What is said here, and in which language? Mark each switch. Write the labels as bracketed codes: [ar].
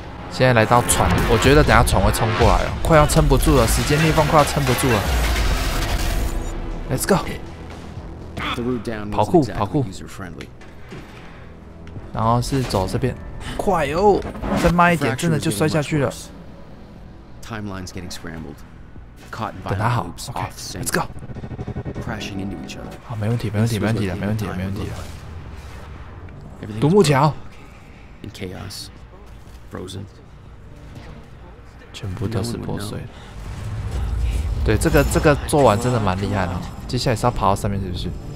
[zh] 现在来到船，我觉得等下船会冲过来了，快要撑不住了，时间逆风快要撑不住了。 [en] Let's go。 [zh] 跑酷。然后是走这边，快哦，再慢一点，真的就摔下去了。 [en] Timeline's getting scrambled, caught in violent loops, off sync. Let's go. Crashing into each other. [zh] 好，没问题，没问题，没问题的，没问题的，没问题的。 [en] 独木桥。In chaos, frozen. [zh] 全部都是破碎。对，这个做完真的蛮厉害的，接下来是要爬到上面，是不是？